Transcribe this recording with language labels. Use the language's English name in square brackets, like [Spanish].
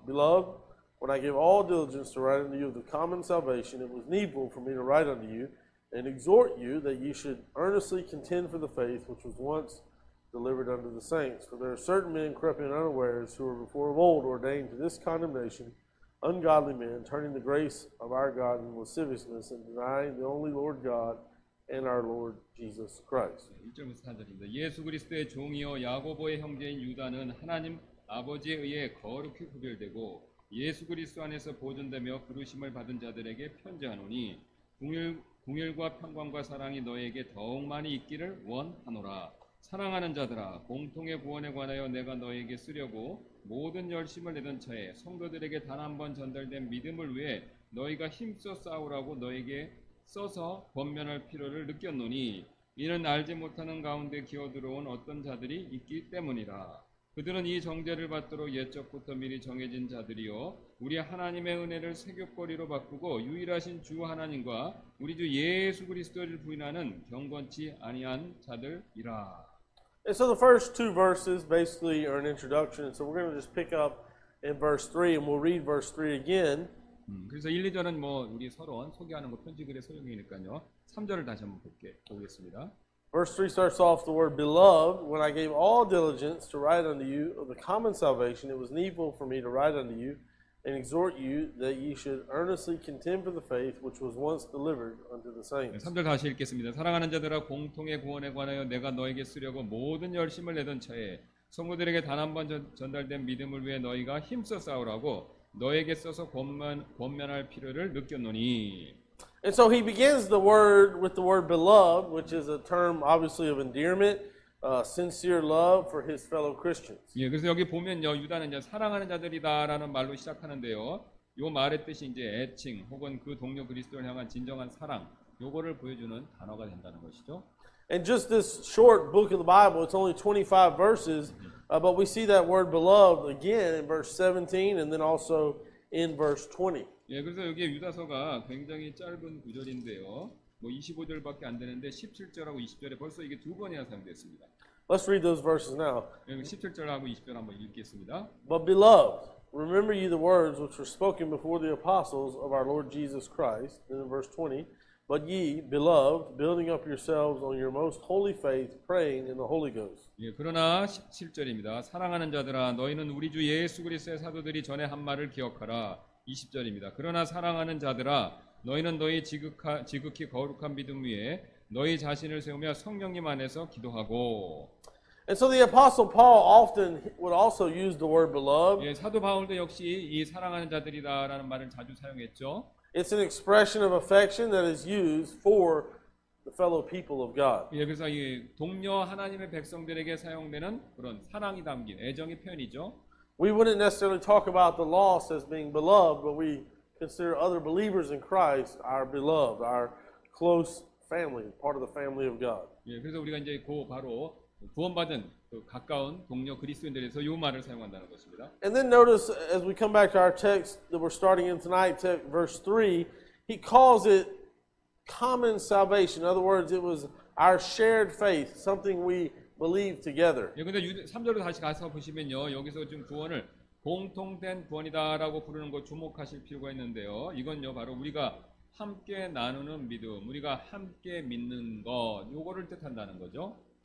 [English] Beloved, when I gave all diligence to write unto you of the common salvation, it was needful for me to write unto you and exhort you that ye should earnestly contend for the faith which was once delivered unto the saints. For there are certain men crept in unawares who were before of old ordained to this condemnation, ungodly men, turning the grace of our God into lasciviousness and denying the only Lord God and our Lord Jesus Christ. [Korean] 1절부터 4절입니다. 예수 그리스도의 종이요 야고보의 형제인 유다는 하나님 아버지에 의해 거룩히 구별되고 예수 그리스도 안에서 보존되며 부르심을 받은 자들에게 편지하노니 궁휼과 평강과 사랑이 너에게 더욱 많이 있기를 원하노라. 사랑하는 자들아, 공통의 구원에 관하여 내가 너에게 쓰려고 모든 열심을 내던 차에 성도들에게 단 한 번 전달된 믿음을 위해 너희가 힘써 싸우라고 너에게 써서 권면할 필요를 느꼈노니 이는 알지 못하는 가운데 기어들어온 어떤 자들이 있기 때문이라. 그들은 이 정죄를 받도록 옛적부터 미리 정해진 자들이요 우리 하나님의 은혜를 세겹거리로 바꾸고 유일하신 주 하나님과 우리 주 예수 그리스도를 부인하는 경건치 아니한 자들이라. [English] And so the first two verses basically are an introduction. So we're going to just pick up in verse 3 and we'll read verse 3 again. [Korean] 그래서 1, 2절은 뭐 우리 서론 소개하는 거 편지글의 소용이니까요. 3절을 다시 한번 보겠습니다. [English] Verse 3 starts off the word beloved, when I gave all diligence to write unto you of the common salvation, it was needful for me to write unto you and exhort you that ye should earnestly contend for the faith which was once delivered unto the saints. [Korean] 3절 다시 읽겠습니다. 사랑하는 자들아, 공통의 구원에 관하여 내가 너에게 쓰려고 모든 열심을 내던 차에 성도들에게 단 한 번 전달된 믿음을 위해 너희가 힘써 싸우라고 너에게 써서 권면할 필요를 느꼈노니. [English] And so he begins the word with the word beloved, which is a term obviously of endearment, sincere love for his fellow Christians. [Korean] 예, 그래서 여기 보면요, 유다는 이제 사랑하는 자들이다라는 말로 시작하는데요, 이 말의 뜻이 이제 애칭 혹은 그 동료 그리스도를 향한 진정한 사랑, 요거를 보여주는 단어가 된다는 것이죠. [English] And just this short book of the Bible, it's only 25 verses, but we see that word beloved again in verse 17 and then also in verse 20. [Korean] 예, 그래서 여기 유다서가 굉장히 짧은 구절인데요. 뭐 25절밖에 안 되는데 17절하고 20절에 벌써 이게 두 번이나 사용됐습니다. [English] Let's read those verses now. [Korean] 예, 17절하고 20절 한번 읽겠습니다. [English] But beloved, remember ye the words which were spoken before the apostles of our Lord Jesus Christ. Then in verse 20, but ye, beloved, building up yourselves on your most holy faith, praying in the Holy Ghost. [Korean] 예, 그러나 17절입니다. 사랑하는 자들아, 너희는 우리 주 예수 그리스도의 사도들이 전에 한 말을 기억하라. 20절입니다. 그러나 사랑하는 자들아, 너희는 너희 지극히 거룩한 믿음 위에 너희 자신을 세우며 성령님 안에서 기도하고. [English] And so the apostle Paul often would also use the word beloved. [Korean] 예, 사도 바울도 역시 이 사랑하는 자들이다라는 말을 자주 사용했죠. [English] It's an expression of affection that is used for the fellow people of God. [Korean] 예, 그래서 이 동료 하나님의 백성들에게 사용되는 그런 사랑이 담긴 애정의 표현이죠. [English] We wouldn't necessarily talk about the lost as being beloved, but we consider other believers in Christ our beloved, our close family, part of the family of God. [Korean] 예, 그래서 우리가 이제 그 바로 구원받은 그 가까운 동료 그리스도인들에서 이 말을 사용한다는 것입니다. [English] And then notice as we come back to our text that we're starting in tonight, text verse 3, he calls it common salvation. In other words, it was our shared faith, something we believe together. [Korean] 예, 근데 3절로 다시 가서 보시면요, 여기서 지금 구원을 공통된 구원이다라고 부르는 거 주목하실 필요가 있는데요. 이건요, 바로 우리가 함께 나누는 믿음, 우리가 함께 믿는 거, 요거를 뜻한다는 거죠.